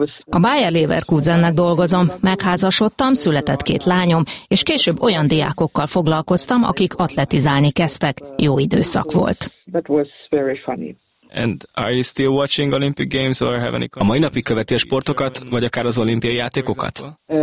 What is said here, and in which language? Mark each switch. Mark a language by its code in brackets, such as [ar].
[hu] A Bayer Leverkusennek dolgozom, megházasodtam, született 2 lányom, és később olyan diákokkal foglalkoztam, akik atletizálni kezdtek. Jó időszak volt. [en] That was very funny. And are you still watching Olympic Games or have any? [hu] A mai napig követi a sportokat, vagy akár az olimpiai játékokat?